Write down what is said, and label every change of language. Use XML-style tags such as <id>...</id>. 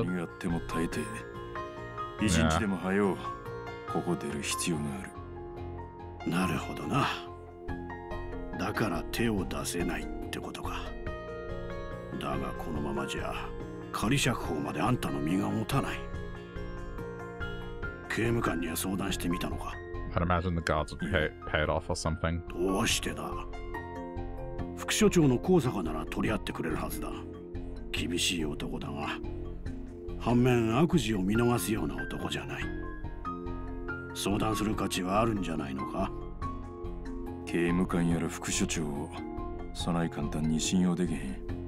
<ja>俺は何やっても耐えて、一日でも早うここ出る必要がある。なるほどな。だから手を出せないってことか。だがこのままじゃ仮釈放まであんたの身が持たない。刑務官には相談してみたのか。</ja> <en>I'd imagine the guards would be paid off or something.</en> <ja>どうしてだ。所長の高坂なら取り合ってくれるはずだ。厳しい男だが、反面悪事を見逃すような男じゃない。相談する価値はあるんじゃないのか。刑務官やら副所長をそない簡単に信用できへん。</ja>